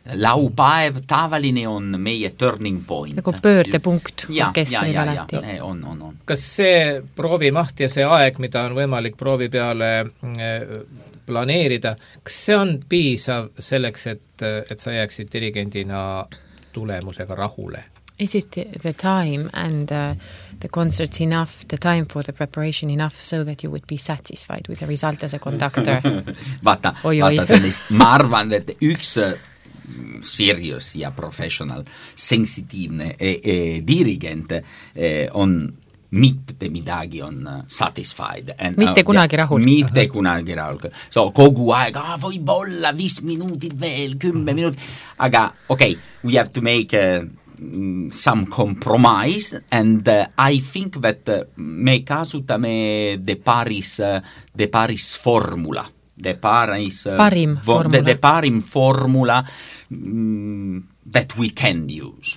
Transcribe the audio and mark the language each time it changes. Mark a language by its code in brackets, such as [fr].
[et] Laupäev tavaline on meie [en] turning point. [et] Nagu pöördepunkt orkestrile alati. On. Kas see proovimaht ja see aeg, mida on võimalik proovi peale planeerida, kas see on piisav selleks, et sa jääksid dirigendina tulemusega rahule? [en] Is it the time and the concerts enough, the time for the preparation enough so that you would be satisfied with the result as a conductor? [et] Vaata, ma arvan, et üks serious ja professional, sensitiivne dirigent on mitte midagi on satisfied. Mitte kunagi rahul. Mitte kunagi rahul. So kogu aeg, võib-olla 5 minutit veel, 10 minutit. Aga okei, [en] we have to make some compromise and I think that [et] me kasutame [en] the Paris formula that we can use.